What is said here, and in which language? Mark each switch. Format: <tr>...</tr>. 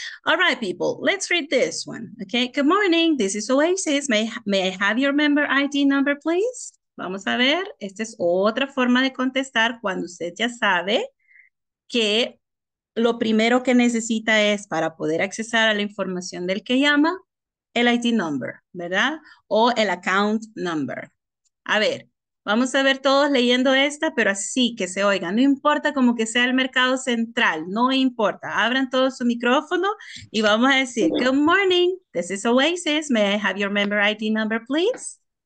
<en>All right, people, let's read this one, okay? Good morning, this is Oasis. May I have your member ID number, please?</en> <es>Vamos a ver, esta es otra forma de contestar cuando usted ya sabe que lo primero que necesita es para poder accesar a la información del que llama, el ID number, ¿verdad? O el account number. A ver, vamos a ver todos leyendo esta, pero así que se oiga. No importa como que sea el mercado central, no importa. Abran todo su micrófono y vamos a decir,</es> <en>good morning, this is Oasis. May I have your member ID number, please?</en>